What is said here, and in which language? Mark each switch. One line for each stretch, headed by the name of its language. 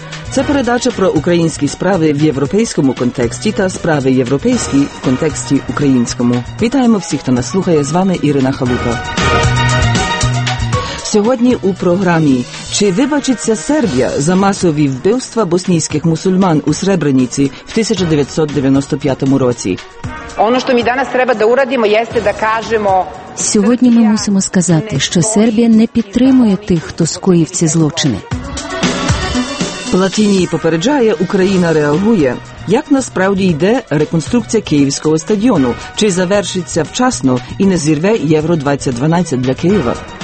Ukrainian: Це передача про українські справи в європейському контексті та справи європейські в контексті українському. Вітаємо всіх, хто нас слухає. З вами Ірина Халупа. Сьогодні у програмі: чи вибачиться Сербія за масові вбивства боснійських мусульман у Сребреніці в 1995 році?
Serbian: Ono što mi danas treba da uradimo jeste da kažemo:
Ukrainian: сьогодні ми мусимо сказати, що Сербія не підтримує тих, хто скоїв ці злочини. Платіні попереджає, Україна реагує. Як насправді йде реконструкція Київського стадіону? Чи завершиться вчасно і не зірве Євро-2012 для Києва?